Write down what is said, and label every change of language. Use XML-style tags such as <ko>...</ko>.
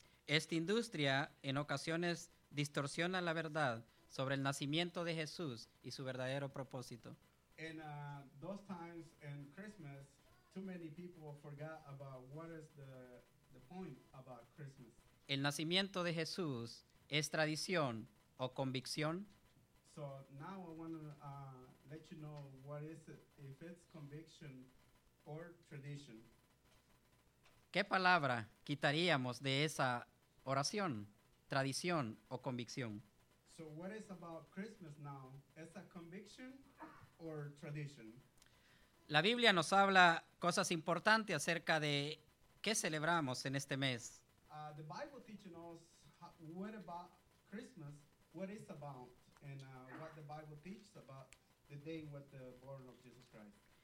<es>Esta industria en ocasiones distorsiona la verdad sobre el nacimiento de Jesús y su verdadero propósito.</es> <en>In those times in Christmas, too many people forgot about what is the point about Christmas.</en> <es>El nacimiento de Jesús es tradición o convicción.</es> <en>So now I want to let you know what is it, if it's conviction or tradition.</en> <es>¿Qué palabra quitaríamos de esa oración, tradición o convicción?</es> <en>So what is about Christmas now? Is it a conviction or tradition?</en> <es>La Biblia nos habla cosas importantes acerca de qué celebramos en este mes.</es> <en>The Bible teaching us what about Christmas, what is about, and what the Bible teaches about the day with the born of Jesus Christ.</en>